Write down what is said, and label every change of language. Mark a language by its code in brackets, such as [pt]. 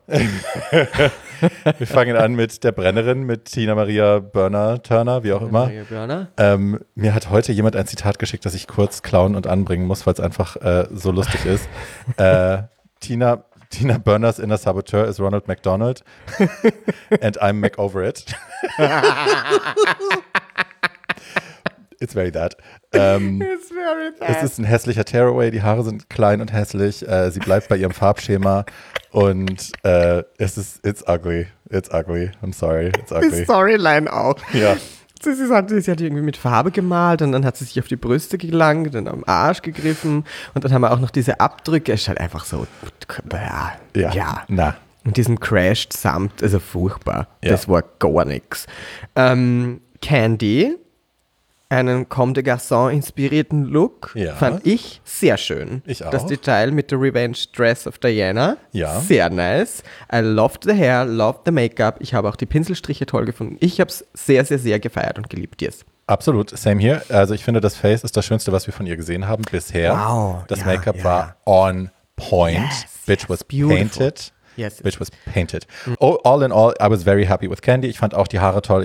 [de] Wir fangen an mit der Brennerin, mit Tina Maria Burner Turner, wie auch immer. Mir hat heute jemand ein Zitat geschickt, das ich kurz klauen und anbringen muss, weil es einfach so lustig ist. [en] Tina Burners inner Saboteur is Ronald McDonald and I'm Mac over it. It's very that. It's very bad. [de] Es ist ein hässlicher Tearaway, die Haare sind klein und hässlich, sie bleibt bei ihrem Farbschema und [en] it's ugly, I'm sorry, it's ugly. [de] Die Storyline auch. Ja. Sie hat irgendwie mit Farbe gemalt und dann hat sie sich auf die Brüste gelangt und am Arsch gegriffen und dann haben wir auch noch diese Abdrücke, es ist halt einfach so, ja. Na. Und diesen crashed Samt, also furchtbar, das war gar nichts. Candy, einen Comme des Garçons inspirierten Look, fand ich sehr schön. Ich auch. Das Detail mit der Revenge Dress of Diana, sehr [en] nice. I loved the hair, loved the Make-up. [de] Ich habe auch die Pinselstriche toll gefunden. Ich habe es sehr, sehr, sehr gefeiert und geliebt. [en] Yes. Absolut, same here. [de] Also ich finde, das Face ist das Schönste, was wir von ihr gesehen haben bisher. [en] Wow. [de] Das Make-up war [en] on point. Bitch was painted. All in all, I was very happy with Candy. [de] Ich fand auch die Haare toll.